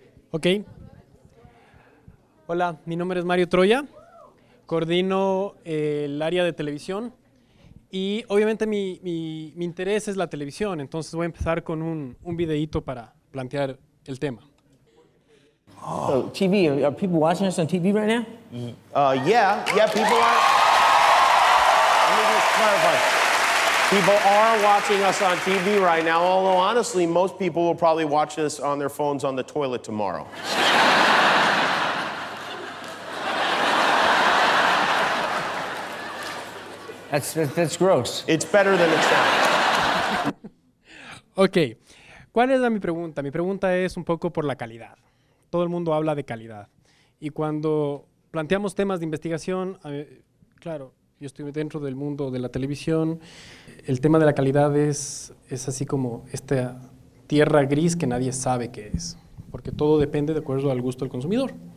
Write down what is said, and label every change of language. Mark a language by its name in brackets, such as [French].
[Spanish] Ok. Hola, mi nombre es Mario Troya, coordino el área de televisión y obviamente mi interés es la televisión, entonces voy a empezar con un videíto para plantear el tema. Oh. [English] So TV, are people watching us on TV right now? Yeah, people are. Let me just clarify. People are watching us on TV right now, although honestly, most people will probably watch us on their phones on the toilet tomorrow. That's gross. It's better than it sounds. Okay. [Spanish] ¿Cuál es mi pregunta? Mi pregunta es un poco por la calidad. Todo el mundo habla de calidad. Y cuando planteamos temas de investigación, claro, yo estoy dentro del mundo de la televisión, el tema de la calidad es así como esta tierra gris que nadie sabe qué es, porque todo depende de acuerdo al gusto del consumidor.